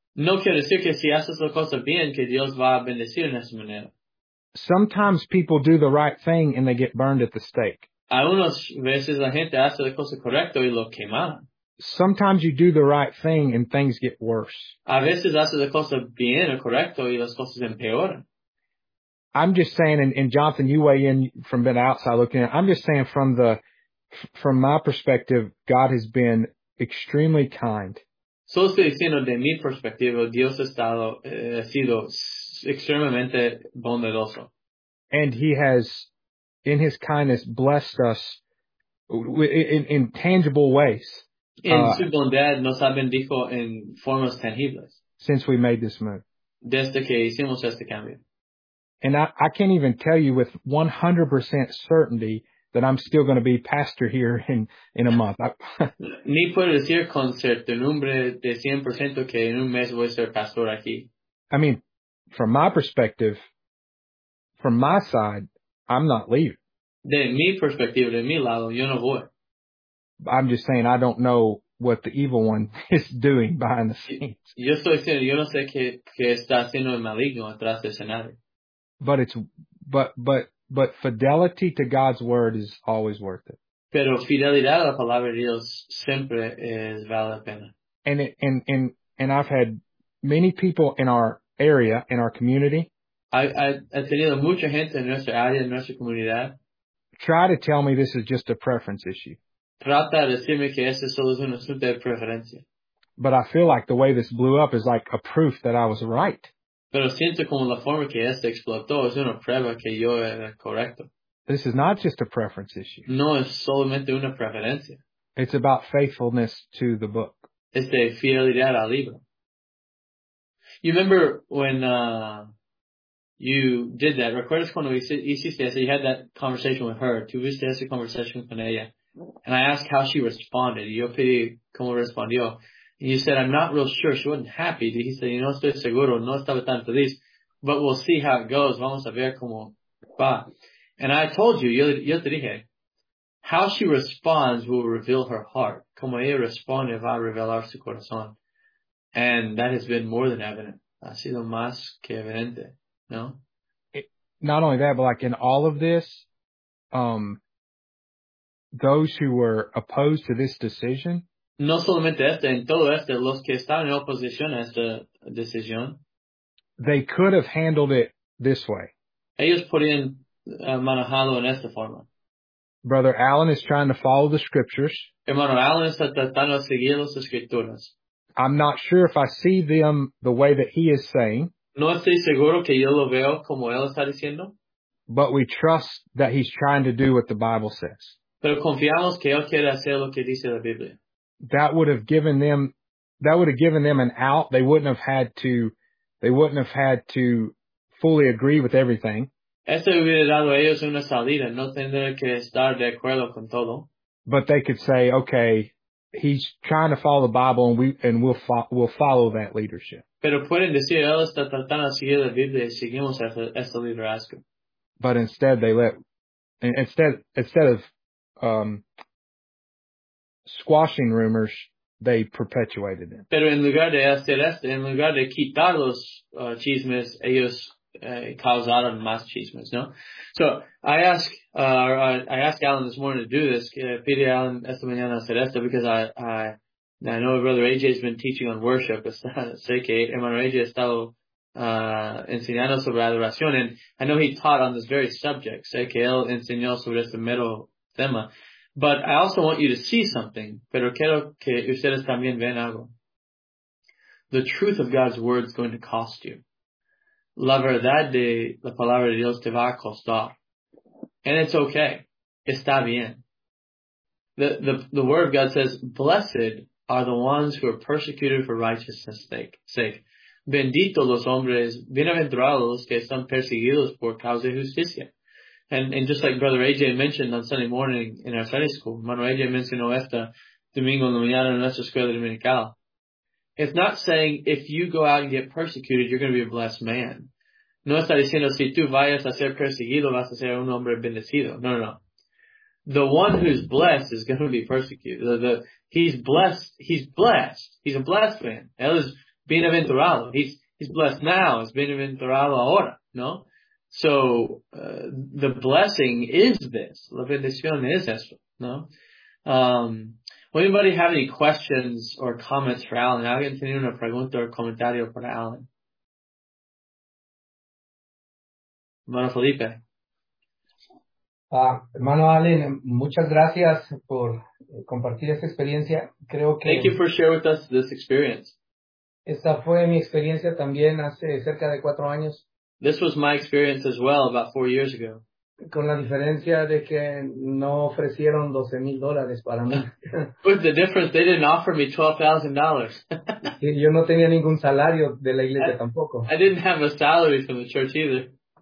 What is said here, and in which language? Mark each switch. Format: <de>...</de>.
<es>No quiero decir que si haces la cosa bien que Dios va a bendecir en esa manera.</es> <en>Sometimes people do the right thing and they get burned at the stake.</en> <es>Algunas veces la gente hace la cosa correcta y lo quema.</es> <en>Sometimes you do the right thing and things get worse.</en> <es>A veces haces la cosa bien o correcto y las cosas empeoran.</es> <en>I'm just saying, and Jonathan, you weigh in from being outside looking at it. I'm just saying from my perspective, God has been extremely kind.</en> <es>So estoy diciendo de mi perspectiva, Dios ha sido extremadamente bondadoso.</es> <en>And he has, in his kindness, blessed us in tangible ways.</en> <es>En su bondad nos ha bendijo en formas tangibles.</es> <en>Since we made this move.</en> <es>Desde que hicimos este cambio.</es> <en>And I can't even tell you with 100% certainty that I'm still going to be pastor here in a month.</en> <es>Ni puedo decir con certidumbre de 100% que en un mes voy a ser pastor aquí.</es> <en>I mean, from my perspective, from my side, I'm not leaving.</en> <es>De mi perspectiva, de mi lado, yo no voy.</es> <en>I'm just saying I don't know what the evil one is doing behind the scenes.</en> <es>Yo estoy diciendo, yo no sé qué está haciendo el maligno atrás del escenario.</es> <en>But fidelity to God's word is always worth it.</en> <es>Pero fidelidad a la palabra de Dios siempre es vale la pena.</es> <en>And I've had many people in our area, in our community.</en> <es>I've tenido mucha gente en nuestra área, en nuestra comunidad.</es> <en>Try to tell me this is just a preference issue.</en> <es>Trata de decirme que este solo es un asunto de preferencia.</es> <en>But I feel like the way this blew up is like a proof that I was right.</en> <es>Pero siento como la forma que este explotó es una prueba que yo era correcto.</es> <en>This is not just a preference issue.</en> <es>No es solamente una preferencia.</es> <en>It's about faithfulness to the book.</en> <es>Es de fidelidad al libro.</es> <en>You remember when you did that?</en> <es>¿Recuerdas cuando hiciste eso?</es> <en>You had that conversation with her.</en> <es>Tuviste esa conversation con ella.</es> <en>And I asked how she responded.</en> <es>Yo pedí cómo respondió.</es> <en>And you said, I'm not real sure. She wasn't happy.</en> <es>Dijiste, no estoy seguro. No estaba tan feliz.</es> <en>But we'll see how it goes.</en> <es>Vamos a ver cómo va.</es> <en>And I told you,</en> <es>yo te dije,</es> <en>how she responds will reveal her heart.</en> <es>Como ella responde va a revelar su corazón.</es> <en>And that has been more than evident.</en> <es>Ha sido más que evidente. No?</es> <en>Not only that, but like in all of this, those who were opposed to this decision.</en> <es>No solamente este, en todo este, los que estaban en oposición a esta decisión.</es> <en>They could have handled it this way.</en> <es>Ellos podían manejarlo en esta forma.</es> <en>Brother Allen is trying to follow the scriptures.</en> <es>Hermano Allen está tratando de seguir las escrituras.</es> <en>I'm not sure if I see them the way that he is saying.</en> <es>No estoy seguro que yo lo veo como él está diciendo.</es> <en>But we trust that he's trying to do what the Bible says.</en> <es>Pero confiamos que él quiere hacer lo que dice la Biblia.</es> <en>That would have given them an out. They wouldn't have had to fully agree with everything.</en> <es>Esto hubiera dado a ellos una salida, no tendría que estar de acuerdo con todo.</es> <en>But they could say, okay, he's trying to follow the Bible and we'll follow that leadership.</en> <es>Pero pueden decir, él está tratando de seguir la Biblia y seguimos este liderazgo.</es> <en>But instead of squashing rumors, they perpetuated it.</en> <es>Pero en lugar de hacer esto, en lugar de quitar los chismes, ellos causaron más chismes, ¿no?</es> <en>So, I asked Alan this morning to do this,</en> <es>pide a Alan esta mañana hacer esto,</es> <en>because I know Brother AJ has been teaching on worship,</en> <es>sé que hermano AJ ha estado enseñando sobre adoración,</es> <en>and I know he taught on this very subject,</en> <es>sé que él enseñó sobre este mero tema.</es> <en>But I also want you to see something,</en> <es>pero quiero que ustedes también vean algo.</es> <en>The truth of God's word is going to cost you.</en> <es>La verdad de la palabra de Dios te va a costar.</es> <en>And it's okay.</en> <es>Está bien.</es> <en>The word of God says, blessed are the ones who are persecuted for righteousness' sake.</en> <es>Bendito los hombres, bienaventurados los que están perseguidos por causa de justicia.</es> <en>And just like Brother AJ mentioned on Sunday morning in our Sunday school,</en> <es>Mano AJ mencionó esta domingo en la mañana en nuestra escuela dominical.</es> <en>It's not saying if you go out and get persecuted, you're going to be a blessed man.</en> <es>No está diciendo si tú vayas a ser perseguido, vas a ser un hombre bendecido. No, no, no.</es> <en>The one who's blessed is going to be persecuted. He's blessed. He's a blessed man.</en> <es>Él es bienaventurado.</es> <en>He's blessed now.</en> <es>Es bienaventurado ahora. No?</es> <en>So the blessing is this.</en> <es>La bendición es eso. No?</es> <en>Will anybody have any questions or comments for Alan?</en> <es>¿Alguien tiene una pregunta o comentario para Alan? Hermano Felipe. Hermano Alan, muchas gracias por compartir esta experiencia. Creo que...</es> <en>Thank you for sharing with us this experience.</en> <es>Esta fue mi experiencia también hace cerca de 4 años.</es> <en>This was my experience as well about 4 years ago.</en> <es>Con la diferencia de que no ofrecieron $12,000 para mí.</es> <en>With the difference, they didn't offer me $12,000.</en> <es>Yo no tenía ningún salario de la iglesia tampoco.</es> <en>I didn't have a salary from the church either.</en>